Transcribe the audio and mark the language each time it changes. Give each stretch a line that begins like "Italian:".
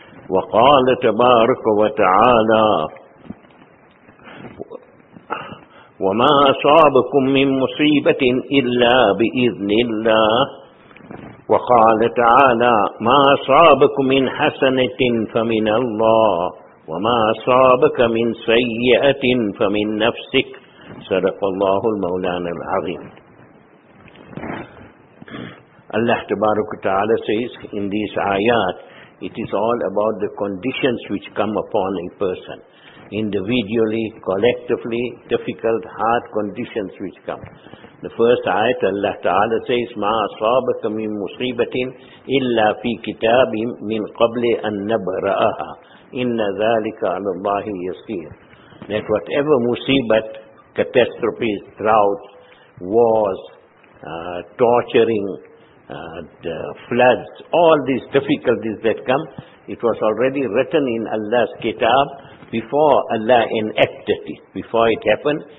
Arabic: وقال تبارك وتعالى: وما أصابكم من مصيبة إلا بإذن الله. وقال تعالى: ما أصابكم من حسنة فمن الله، وما أصابك من سيئة فمن نفسك. صدق الله المولانا العظيم. الله تبارك وتعالى
English: says in these ayat, it is all about the conditions which come upon a person. Individually, collectively, difficult, hard conditions which come. The first ayat Allah Ta'ala says,
Arabic: مَا أَصَابَكَ مِن مُصِيبَةٍ إِلَّا فِي كِتَابٍ مِن قَبْلِ أَن نَبْرَأَهَا إِنَّ ذَلِكَ عَلَى اللَّهِ يَسِيرٌ.
English: That whatever musibat, catastrophes, droughts, wars, torturing, the floods, all these difficulties that come, it was already written in Allah's kitab before Allah enacted it, before it happened.